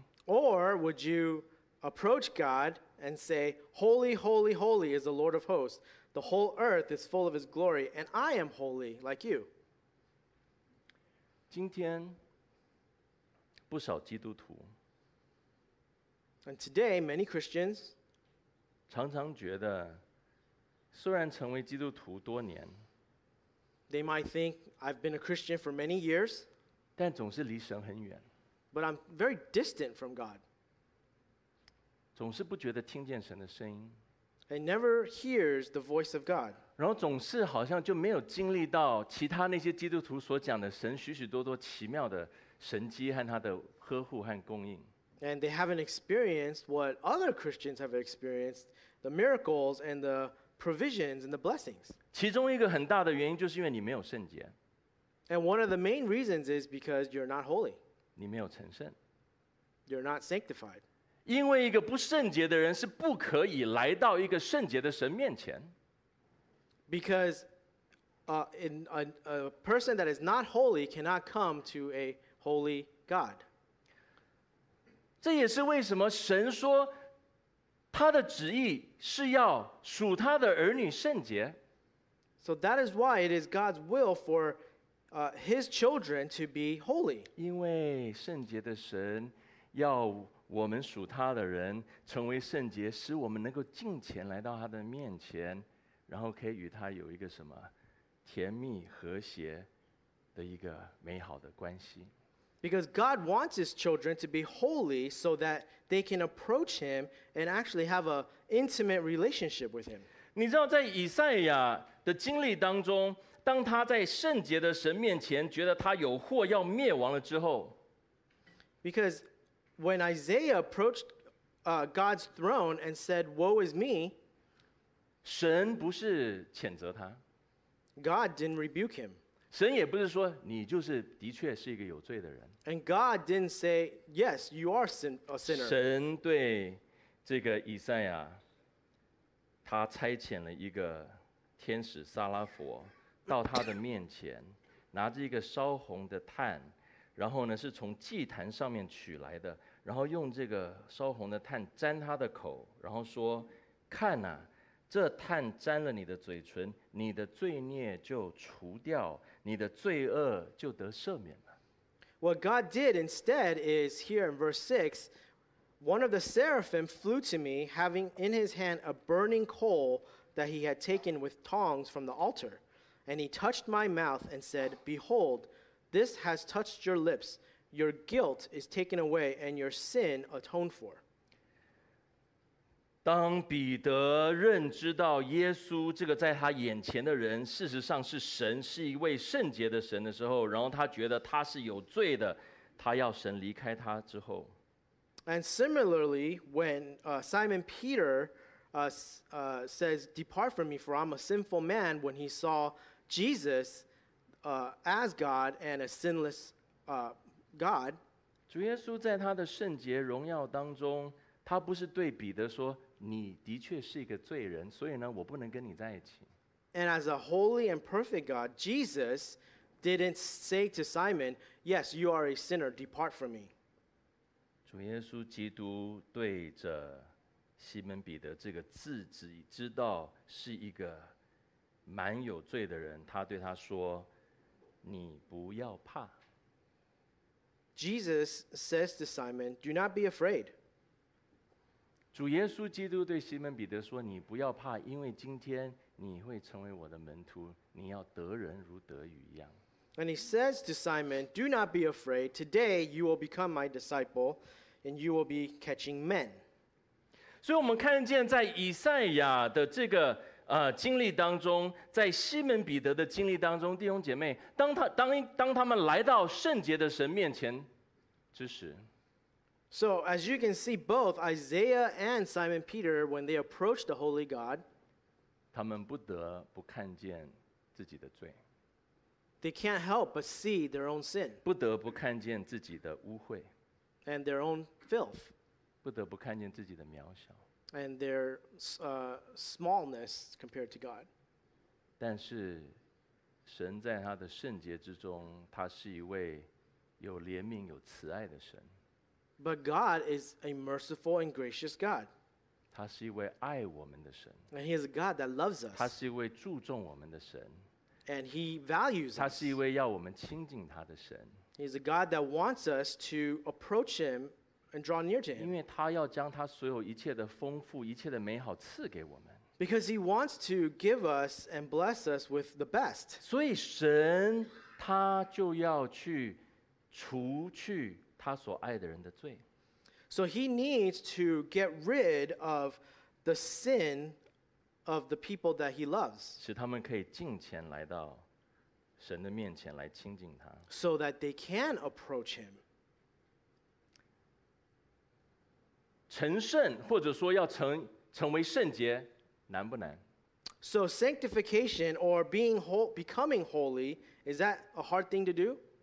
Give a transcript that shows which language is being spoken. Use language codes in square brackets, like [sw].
[en] Or would you approach God and say, Holy, holy, holy is the Lord of hosts. The whole earth is full of his glory, and I am holy like you. [zh] 今天不少基督徒， [en] And today, many Christians [zh] 常常觉得，虽然成为基督徒多年， [en] They might think I've been a Christian for many years, [zh] 但总是离神很远， [en] But I'm very distant from God. [zh] 总是不觉得听见神的声音。 [en] And never hears the voice of God. [zh] 然后总是好像就没有经历到其他那些基督徒所讲的神许许多多奇妙的神迹和他的呵护和供应。 [en] And they haven't experienced what other Christians have experienced, the miracles and the provisions and the blessings. [zh] 其中一个很大的原因就是因为你没有圣洁。 [en] And one of the main reasons is because you're not holy. [zh] 你没有成圣。 [en] You're not sanctified. [zh] 因为一个不圣洁的人是不可以来到一个圣洁的神面前。 [en] Because a person that is not holy cannot come to a holy God. [zh] 这也是为什么神说他的旨意是要属他的儿女圣洁。 [en] So that is why it is God's will for his children to be holy. [zh] 因为圣洁的神要我们属他的人成为圣洁，使我们能够进前来到他的面前，然后可以与他有一个什么甜蜜和谐的一个美好的关系。 [en] Because God wants his children to be holy so that they can approach him and actually have an intimate relationship with him. [zh] 你知道在以赛亚的经历当中，当他在圣洁的神面前觉得他有祸要灭亡了之后， [en] Because When Isaiah approached God's throne and said, Woe is me, [zh] 神不是谴责他， [en] God didn't rebuke him. [zh] 神也不是说你就是的确是一个有罪的人。 [en] And God didn't say, yes, you are a sinner. [zh] 神对这个以赛亚，他差遣了一个天使撒拉佛到他的面前，拿着一个烧红的炭，然后呢是从祭坛上面取来的，然后用这个烧红的炭沾他的口，然后说：“看啊，这炭沾了你的嘴唇，你的罪孽就除掉，你的罪恶就得赦免了。” [en] What God did instead is here in verse 6, one of the seraphim flew to me, having in his hand a burning coal that he had taken with tongs from the altar. And he touched my mouth and said, Behold, this has touched your lips. Your guilt is taken away and your sin atoned for. [zh] 当彼得认知到耶稣这个在他眼前的人事实上是神，是一位圣洁的神的时候，然后他觉得他是有罪的，他要神离开他之后。 [en] And similarly, when Simon Peter says, Depart from me, for I'm a sinful man, when he saw Jesus as God and a sinless God. [zh] 主耶稣在他的圣洁荣耀当中，他不是对彼得说，你的确是一个罪人，所以呢，我不能跟你在一起。 [en] And as a holy and perfect God, Jesus didn't say to Simon, Yes, you are a sinner, depart from me. [zh] 主耶稣基督对着西门彼得这个自己知道是一个蛮有罪的人，他对他说：“你不要怕。” [en] Jesus says to Simon, "Do not be afraid." [zh] 主耶稣基督对西门彼得说：“你不要怕，因为今天你会成为我的门徒，你要得人如得鱼一样。” [en] And he says to Simon, "Do not be afraid. Today you will become my disciple, and you will be catching men." [zh] 所以我们看见在以赛亚的这个经历当中，在西门彼得的经历当中，弟兄姐妹，当他们来到圣洁的神面前之时 [en] ，So as you can see, both Isaiah and Simon Peter, when they approach the Holy God, [zh] 他们不得不看见自己的罪 [en] ，They can't help but see their own sin, [zh] 不得不看见自己的污秽 [en] ，and their own filth, [zh] 不得不看见自己的渺小。 [en] And their smallness compared to God. [zh] 但是神在他的圣洁之中，他是一位有怜悯有慈爱的神。 [en] But God is a merciful and gracious God. [zh] 他是一位爱我们的神。 [en] And he is a God that loves us. [zh] 他是一位注重我们的神。 [en] And he values us. [zh] 他是一位要我们亲近他的神。 [en] He is a God that wants us to approach him and draw near to him. [zh] 因为他要将他所有一切的丰富一切的美好赐给我们。 [en] Because he wants to give us and bless us with the best. [zh] 所以神他就要去除去他所爱的人的罪。 [en] So he needs to get rid of the sin of the people that he loves. [zh] 使他们可以近前来到神的面前来亲近他。 [en] So that they can approach him. [zh] 成圣或者说要 成为圣洁难不难 [en] So sanctification or being whole, becoming holy, is that a hard thing to do?